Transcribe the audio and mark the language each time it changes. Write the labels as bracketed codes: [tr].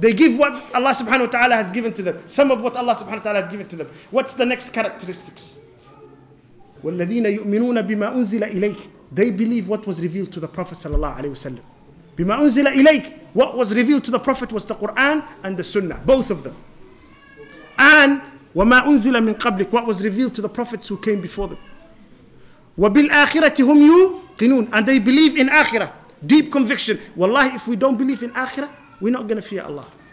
[en] They give what Allah subhanahu wa ta'ala has given to them. Some of what Allah subhanahu wa ta'ala has given to them. What's the next characteristics? [ar] وَالَّذِينَ يُؤْمِنُونَ بِمَا أُنزِلَ إِلَيْكَ. [en] They believe what was revealed to the Prophet sallallahu alayhi wa sallam. [ar] بِمَا أُنزِلَ إِلَيْكَ. [en] What was revealed to the Prophet was the Quran and the Sunnah. Both of them. [ar] And وَمَا أُنزِلَ مِن قَبْلِكَ. [en] What was revealed to the Prophets who came before them. [ar] وَبِالْآخِرَةِ هُمْ يُوقِنُونَ. [en] And they believe in Akhirah. Deep conviction. Wallahi, if we don't believe in Akhirah, we're not going to fear Allah.